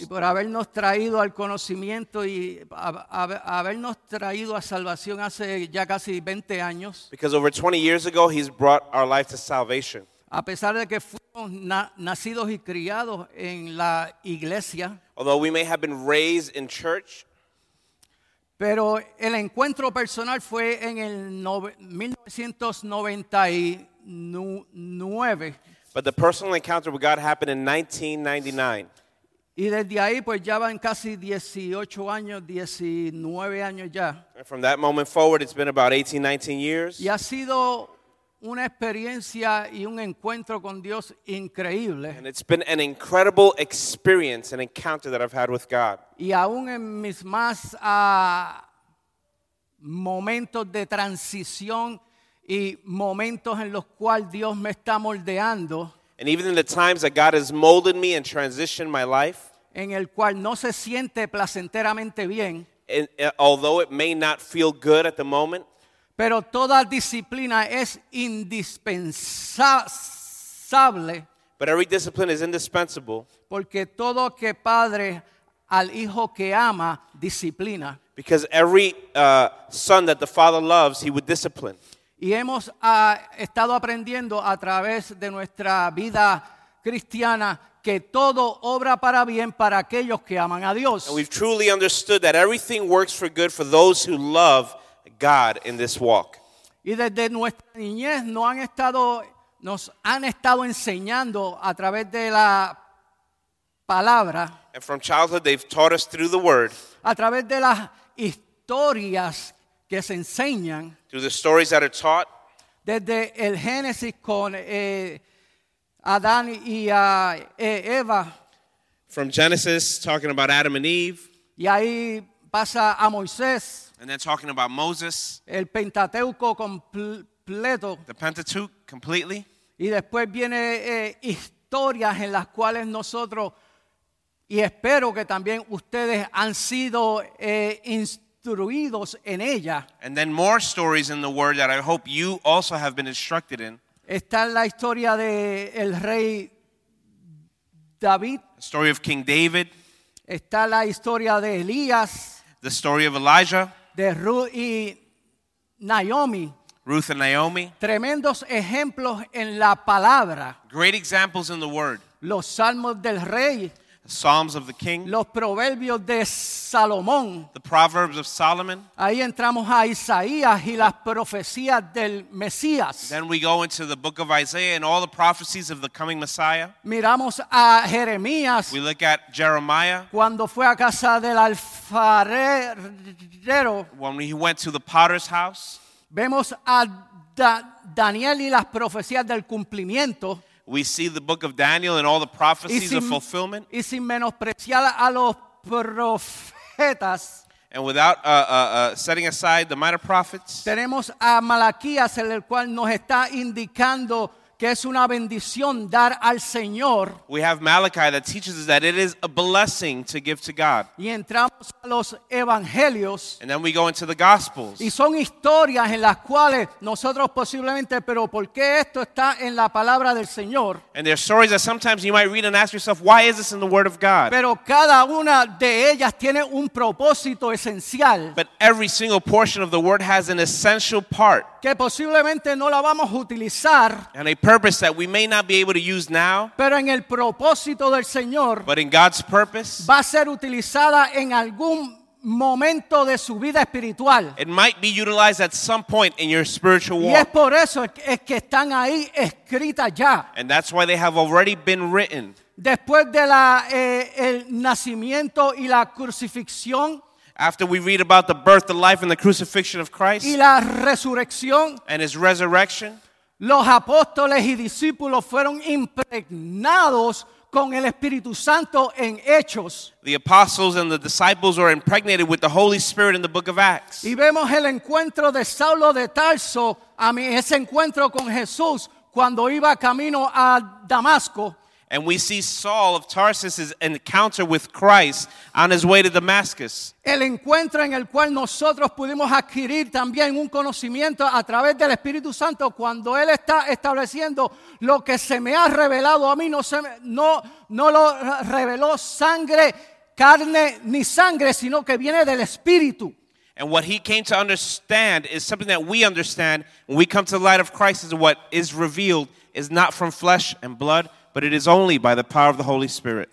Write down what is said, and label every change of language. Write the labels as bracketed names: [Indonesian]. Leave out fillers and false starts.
[Spanish] Y por habernos traído al conocimiento y habernos traído a salvación hace ya casi 20 años. [English] Because over 20 years ago, he's brought our life to salvation. [Spanish] A pesar de que fuimos nacidos y criados en la iglesia, [English] although we may have been raised in church, [Spanish] pero el encuentro personal fue en el 1999. [English] But the personal encounter with God happened in 1999. [Spanish] Y desde ahí pues ya van casi 18 años, 19 años ya. [English] And from that moment forward it's been about 18, 19 years. [Spanish] Y ha sido una experiencia y un encuentro con Dios increíble. [English] And it's been an incredible experience, an encounter that I've had with God. [Spanish] Y aún en mis más momentos de transición y momentos en los cuales Dios me está moldeando. [English] And even in the times that God has molded me and transitioned my life. [Spanish] En el cual no se siente placenteramente bien. [English] Although it may not feel good at the moment. [Spanish] Pero toda disciplina es indispensable. [English] But every discipline is indispensable. [Spanish] Porque todo que padre al hijo que ama, disciplina. [English] Because every son that the father loves, he would discipline. [Spanish] Y hemos estado aprendiendo a través de nuestra vida cristiana que todo obra para bien para aquellos que aman a Dios. [English] And we've truly understood that everything works for good for those who love God in this walk. [Spanish] Y desde nuestra niñez nos han estado enseñando a través de la palabra. [English] And from childhood they've taught us through the word. [Spanish] A través de las historias que se enseñan. [English] Through the stories that are taught. [Spanish] Desde el Génesis con Adán y Eva. [English] From Genesis talking about Adam and Eve. [Spanish] Y ahí pasa a Moisés. [English] And then talking about Moses. [Spanish] El Pentateuco completo. [English] The Pentateuch completely. [Spanish] Y después viene historias en las cuales nosotros, y espero que también ustedes han sido instruidos en ella. [English] And then more stories in the word that I hope you also have been instructed in. [Spanish] Está la historia de el rey David. [English] The story of King David. [Spanish] Está la historia de Elías. [English] The story of Elijah. [Spanish] De Ruth y Naomi. [English] Ruth and Naomi. [Spanish] Tremendos ejemplos en la palabra. [English] Great examples in the word. [Spanish] Los salmos del rey. [English] Psalms of the king. [Spanish] Los proverbios de Salomón. [English] The proverbs of Solomon. [Spanish] Ahí entramos a Isaías y las profecías del Mesías. [English] Then we go into the book of Isaiah and all the prophecies of the coming Messiah. [Spanish] Miramos a Jeremías. [English] We look at Jeremiah. [Spanish] Cuando fue a casa del alfarero. [English] When he went to the potter's house. [Spanish] Vemos a Daniel y las profecías del cumplimiento. [English] We see the book of Daniel and all the prophecies [Spanish] y sin, [English] of fulfillment. [Spanish] Y sin menospreciar a los profetas, [English] and without setting aside the minor prophets. [Spanish] Tenemos a Malaquías, en el cual nos está indicando que es una bendición dar al Señor. [English] We have Malachi that teaches us that it is a blessing to give to God. [Spanish] Y entramos a los evangelios. [English] And then we go into the gospels. [Spanish] Y son historias en las cuales nosotros posiblemente, pero ¿por qué esto está en la palabra del Señor? [English] And there are stories that sometimes you might read and ask yourself, why is this in the word of God? [Spanish] Pero cada una de ellas tiene un propósito esencial. [English] But every single portion of the word has an essential part. [Spanish] Que posiblemente no la vamos a utilizar. [English] And a purpose that we may not be able to use now. [Spanish] Pero en el propósito del Señor. [English] But in God's purpose. [Spanish] Va a ser utilizada en algún momento de su vida espiritual. [English] It might be utilized at some point in your spiritual walk. [Spanish] Y es por eso es que están ahí escritas ya. [English] And that's why they have already been written. [Spanish] Después de la el nacimiento y la crucifixión. [English] After we read about the birth, the life, and the crucifixion of Christ, [Spanish] y la resurrección, [English] and his resurrection, [Spanish] los apóstoles y discípulos fueron impregnados con el Espíritu Santo en Hechos. [English] The apostles and the disciples were impregnated with the Holy Spirit in the book of Acts. [Spanish] Y vemos el encuentro de Saulo de Tarso, ese encuentro con Jesús cuando iba camino a Damasco. [English] And we see Saul of Tarsus's encounter with Christ on his way to Damascus. [Spanish] El encuentro en el cual nosotros pudimos adquirir también un conocimiento a través del Espíritu Santo cuando él está estableciendo lo que se me ha revelado a mí no lo reveló sangre, carne ni sangre, sino que viene del Espíritu. [English] And what he came to understand is something that we understand when we come to the light of Christ, is what is revealed is not from flesh and blood, but it is only by the power of the Holy Spirit.